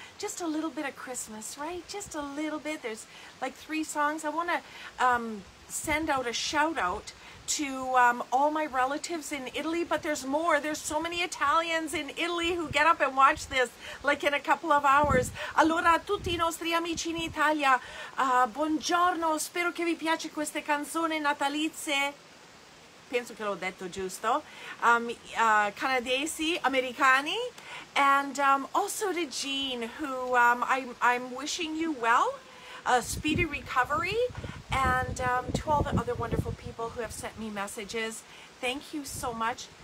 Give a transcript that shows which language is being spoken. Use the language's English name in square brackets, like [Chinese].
[English] Just a little bit of Christmas, right? Just a little bit. There's like three songs. I want to send out a shout out to all my relatives in Italy, but there's more. There's so many Italians in Italy who get up and watch this like in a couple of hours. [Italian] Allora, tutti I nostri amici in Italia, buongiorno, spero che vi piace queste canzoni natalizie. Penso che l'ho detto giusto. Canadesi, americani, [English] and also to Jean, who I'm wishing you well, a speedy recovery. And to all the other wonderful people who have sent me messages, thank you so much.